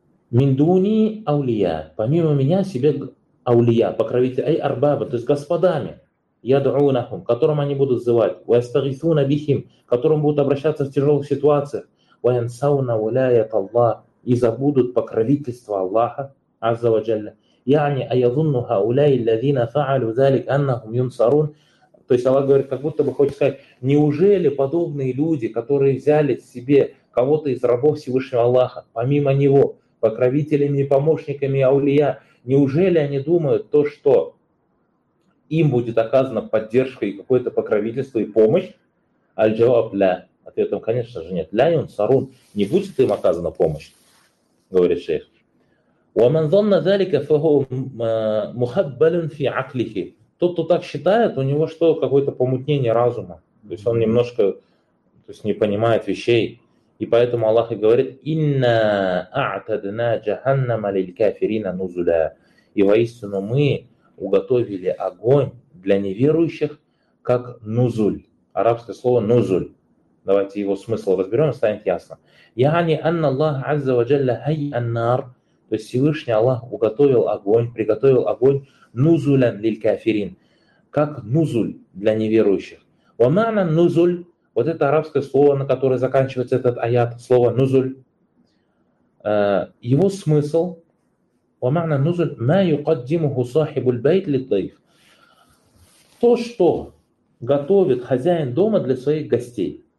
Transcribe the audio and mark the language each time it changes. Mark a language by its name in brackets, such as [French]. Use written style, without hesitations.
[Russian] Миндуни аулия, помимо меня, себе аулия, покровители, ай арбаба, то есть господами, ядуунахум, которым они будут зывать, вайстагисуна бихим, которым будут обращаться в тяжелых ситуациях, вайансауна уляят Аллах, и забудут покровительство Аллаха, [Arabic] عز وجل. يعني أيظن هؤلاء الذين فعلوا ذلك أنهم ينصرون. [Russian] То есть Аллах говорит, как будто бы хочет сказать, неужели подобные люди, которые взяли себе кого-то из рабов Всевышнего Аллаха, помимо него, покровителями и помощниками аулия, неужели они думают то, что им будет оказана поддержка и какое-то покровительство и помощь? Аль-джаваб ля. Ответом, конечно же, нет. Ля юнсарун. Не будет им оказана помощь, говорит шейх. [Arabic] وَمَنْ ظَنَّ ذَلِكَ فَهُوْ مُحَبَّلٌ فِي عَقْلِهِ. [Russian] Тот, кто так считает, у него что, какое-то помутнение разума. То есть он немножко, то есть не понимает вещей. И поэтому Аллах и говорит: [Arabic] إِنَّا أَعْتَدْنَا جَهَنَّمَ لِلْكَافِرِينَ نُزُلَى. [Russian] И воистину мы уготовили огонь для неверующих, как нузуль. Арабское слово нузуль. Давайте его смысл разберем, станет ясно. [Arabic] يعني أن الله عز وجل هيئ النار. [Russian] То есть Всевышний Аллах уготовил огонь, приготовил огонь нузулян лиль кафирин, как нузуль для неверующих. Ва-ма'на нузуль, вот это арабское слово, на которое заканчивается этот аят, слово нузуль, его смысл, ва-ма'на нузуль, ма юкаддимуху сахибуль байт лит-дайф, то, что готовит хозяин дома для своих гостей.